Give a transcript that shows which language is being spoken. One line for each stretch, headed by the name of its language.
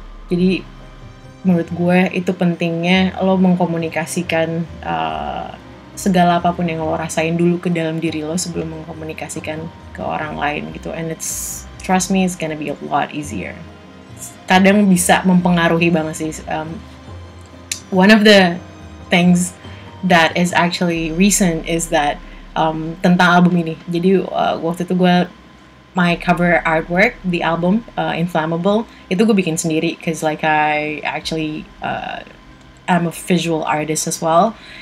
Indonesian: Jadi menurut gue itu pentingnya lo mengkomunikasikan segala apapun yang lo rasain dulu ke dalam diri lo sebelum mengkomunikasikan ke orang lain gitu.
English: And it's, trust me, it's gonna be a lot easier.
Indonesian: Kadang bisa mempengaruhi banget sih.
English: One of the things that is actually recent is that
Indonesian: tentang album ini. Jadi waktu itu gue,
English: my cover artwork, the album, Inflammable,
Indonesian: itu gue bikin sendiri,
English: cause like I actually am a visual artist as well.